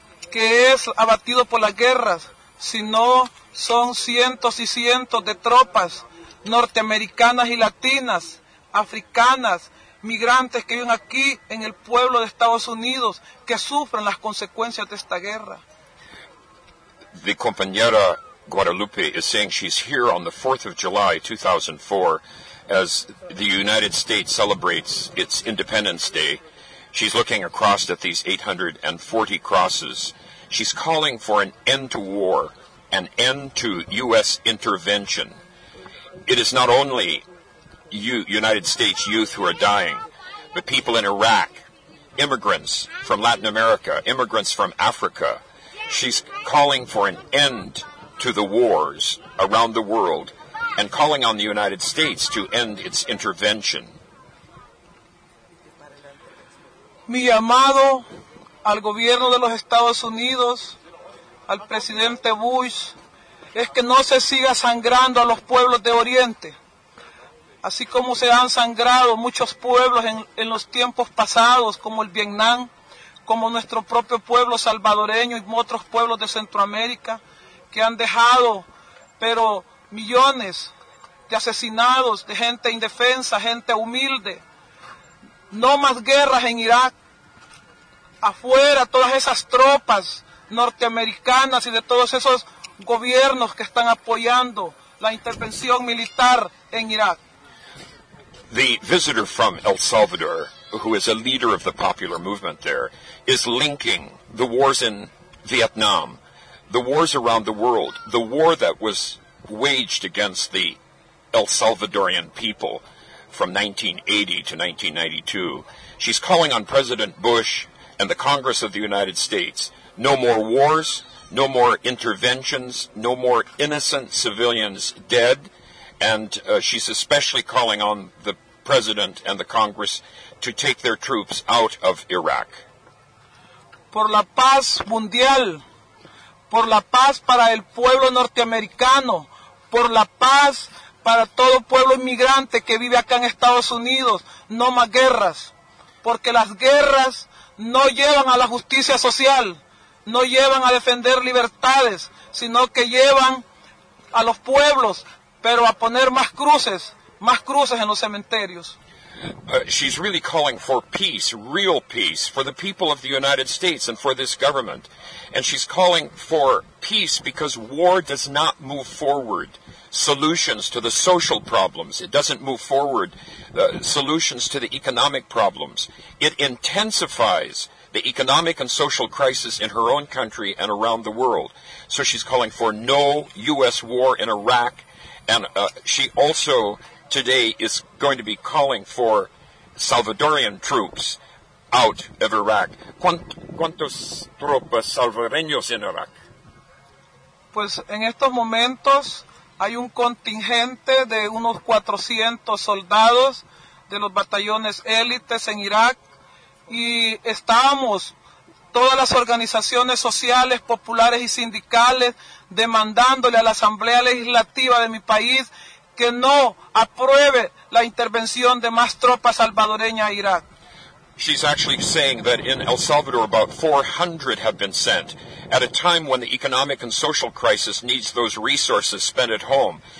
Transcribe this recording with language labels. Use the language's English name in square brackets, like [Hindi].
[Spanish] que es abatido por las guerras, sino son cientos y cientos de tropas norteamericanas y latinas, africanas, migrantes que viven aquí en el pueblo de Estados Unidos, que sufren las consecuencias de esta guerra. [English] The compañera Guadalupe is saying she's here on the 4th of July, 2004, as the United States celebrates its Independence Day. She's looking across at these 840 crosses. She's calling for an end to war, an end to U.S. intervention. It is not only United States youth who are dying, but people in Iraq, immigrants from Latin America, immigrants from Africa. She's calling for an end to the wars around the world and calling on the United States to end its intervention. [Spanish] Mi llamado al gobierno de los Estados Unidos, al presidente Bush, es que no se siga sangrando a los pueblos de Oriente, así como se han sangrado muchos pueblos en los tiempos pasados, como el Vietnam, como nuestro propio pueblo salvadoreño y otros pueblos de Centroamérica, que han dejado, pero millones de asesinados, de gente indefensa, gente humilde. No más guerras en Irak. Afuera todas esas tropas norteamericanas y de todos esos gobiernos que están apoyando la intervención militar en Irak. [English] The visitor from El Salvador, who is a leader of the popular movement there, is linking the wars in Vietnam, the wars around the world, the war that was waged against the El Salvadorian people from 1980 to 1992. She's calling on President Bush and the Congress of the United States, no more wars, no more interventions, no more innocent civilians dead, and she's especially calling on the President and the Congress to take their troops out of Iraq. [Spanish] Por la paz mundial, por la paz para el pueblo norteamericano, por la paz para todo pueblo inmigrante que vive acá en Estados Unidos, no más guerras, porque las guerras no llevan a la justicia social, no llevan a defender libertades, sino que llevan a los pueblos, pero a poner más cruces, más cruces en los cementerios. [English] She's really calling for peace, real peace, for the people of the United States and for this government. And she's calling for peace because war does not move forward solutions to the social problems. It doesn't move forward solutions to the economic problems. It intensifies the economic and social crisis in her own country and around the world. So she's calling for no U.S. war in Iraq. And she also today is going to be calling for Salvadorian troops out of Iraq. [Spanish] ¿Cuántos tropas salvadoreños en Iraq? Pues en estos momentos hay un contingente de unos 400 soldados de los batallones élites en Irak y estamos todas las organizaciones sociales, populares y sindicales, demandándole a la Asamblea Legislativa de mi país que no apruebe la intervención de más tropas salvadoreñas a Irak. [English] She's actually saying that in El Salvador about 400 have been sent at a time when the economic and social crisis needs those resources spent at home.